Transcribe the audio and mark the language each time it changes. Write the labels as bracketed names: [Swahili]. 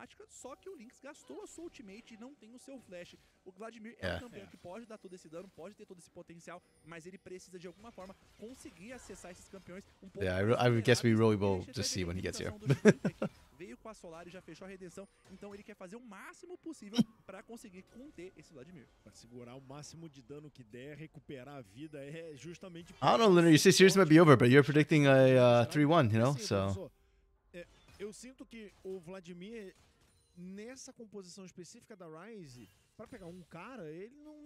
[Portuguese] Só que o Lynx gastou a sua ultimate e não tem o seu flash. O Vladimir é um campeão que pode dar todo esse dano, pode ter todo esse potencial, mas ele precisa de alguma forma conseguir acessar esses campeões um pouco. [English] I guess we really will just see when he gets here. [Portuguese] Veio com a Solar e já fechou a redenção, então ele quer fazer o máximo possível para conseguir conter esse Vladimir. Para segurar o máximo de dano que der, recuperar a vida é justamente. [English] I don't know, Lunar, you say series might be over, but you're predicting a 3-1, you know? So. [Portuguese] Eu sinto que o Vladimir nessa composição específica da Ryze, para pegar um cara, ele não...